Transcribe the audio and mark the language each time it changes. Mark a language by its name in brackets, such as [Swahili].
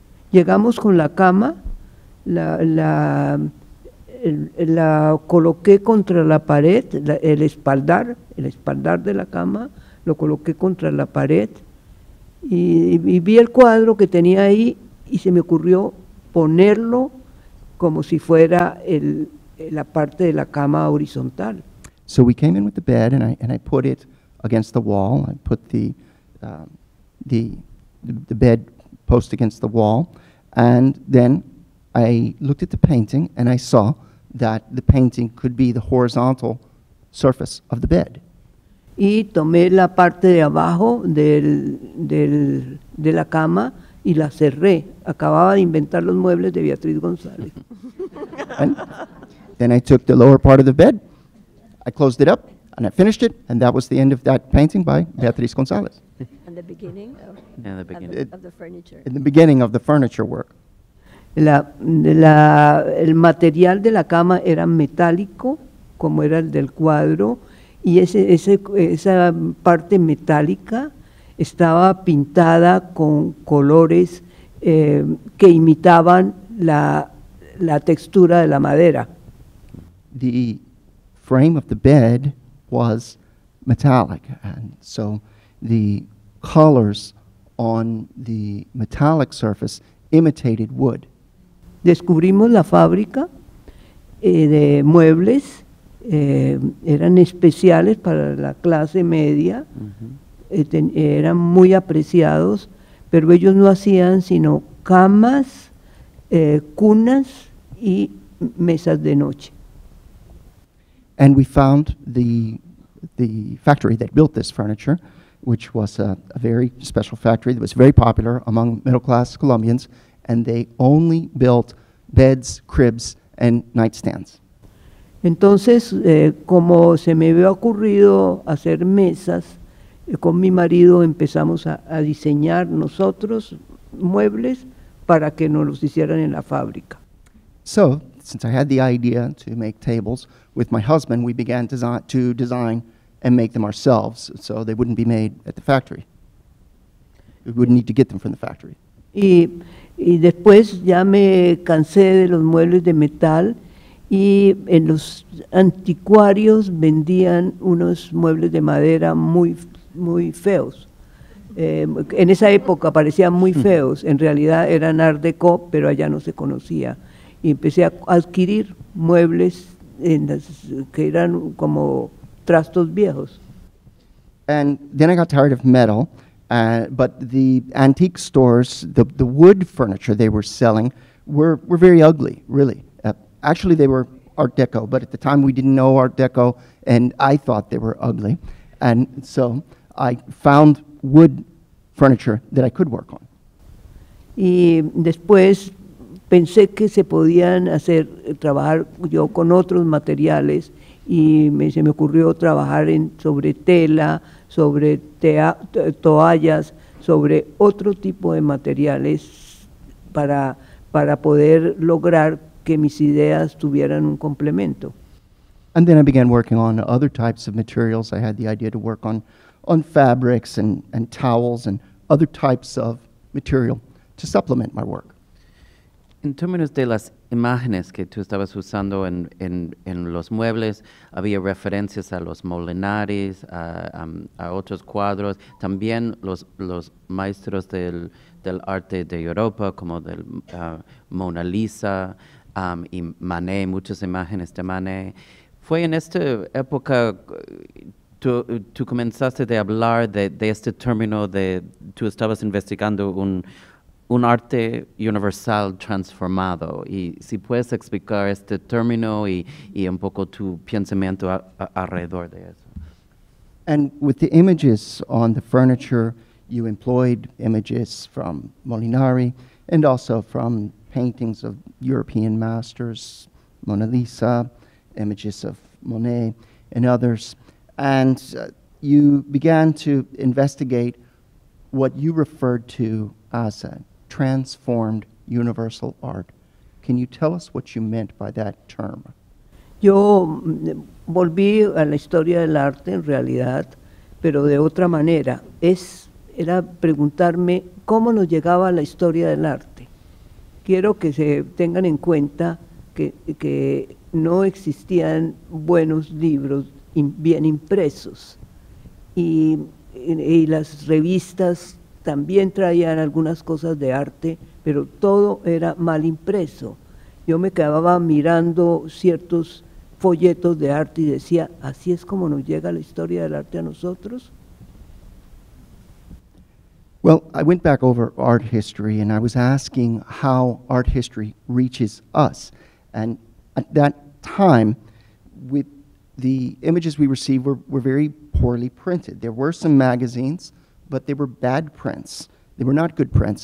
[Spanish] Llegamos con la cama, la coloqué contra la pared, el espaldar de la cama, lo coloqué contra la pared y vi el cuadro que tenía ahí y se me ocurrió ponerlo como si fuera la parte de la cama horizontal. [English] So we came in with the bed and I put it against the wall. I put the bed post against the wall. And then I looked at the painting and I saw that the painting could be the horizontal surface of the bed. [Spanish] Y tomé la parte de abajo de la cama y la cerré. Acababa de inventar los muebles de Beatriz González. [English] And then I took the lower part of the bed, I closed it up, and I finished it, and that was the end of that painting by Beatriz González. And the beginning of the furniture. In the beginning of the furniture work. [Spanish] El material de la cama era metálico, como era el del cuadro, y esa parte metálica estaba pintada con colores que imitaban la textura de la madera. [English] The frame of the bed was metallic, and so the colors on the metallic surface imitated wood. [Spanish] Descubrimos la fábrica de muebles, eran especiales para la clase media, eran muy apreciados, pero ellos no hacían sino camas, cunas y mesas de noche. [English] And we found the factory that built this furniture, which was a very special factory that was very popular among middle-class Colombians, and they only built beds, cribs, and nightstands. [Spanish] Entonces, como se me había ocurrido hacer mesas, con mi marido empezamos a diseñar nosotros muebles para que nos los hicieran en la fábrica. [English] So, since I had the idea to make tables with my husband, we began to design and make them ourselves, so they wouldn't be made at the factory. We wouldn't need to get them from the factory. [Spanish] Y después ya me cansé de los muebles de metal, y en los anticuarios vendían unos muebles de madera muy, muy feos. En esa época parecían muy feos, en realidad eran Art Deco, pero allá no se conocía. Y empecé a adquirir muebles que eran como trastos viejos. [English] And then I got tired of metal, but the antique stores, the wood furniture they were selling were very ugly, really. Actually, they were Art Deco, but at the time we didn't know Art Deco, and I thought they were ugly. And so I found wood furniture that I could work on. [Spanish] Y después pensé que se podían hacer, trabajar yo con otros materiales, y se me ocurrió trabajar sobre tela, sobre toallas, sobre otro tipo de materiales para poder lograr que mis ideas tuvieran un complemento. [English] And then I began working on other types of materials. I had the idea to work on fabrics and towels and other types of material to supplement my work. [Spanish] En términos de las imágenes que tú estabas usando en los muebles, había referencias a los Molinaris, a otros cuadros, también los maestros del arte de Europa, como del Mona Lisa y Manet, muchas imágenes de Manet. Fue en esta época tú comenzaste a hablar de este término de tú estabas investigando un arte universal transformado. Y si puedes explicar este término y un poco tu pensamiento alrededor de eso. [English] And with the images on the furniture, you employed images from Molinari and also from paintings of European masters, Mona Lisa, images of Monet and others. And you began to investigate what you referred to as a transformed universal art. Can you tell us what you meant by that term? [Spanish] Yo volví a la historia del arte en realidad, pero de otra manera. Era preguntarme cómo nos llegaba a la historia del arte. Quiero que se tengan en cuenta que no existían buenos libros bien impresos. Y las revistas también traían algunas cosas de arte, pero todo era mal impreso. Yo me quedaba mirando ciertos folletos de arte y decía, ¿así es como nos llega la historia del arte a nosotros? [English] Well, I went back over art history and I was asking how art history reaches us. And at that time, with the images we received were very poorly printed. There were some magazines, but they were bad prints. They were not good prints.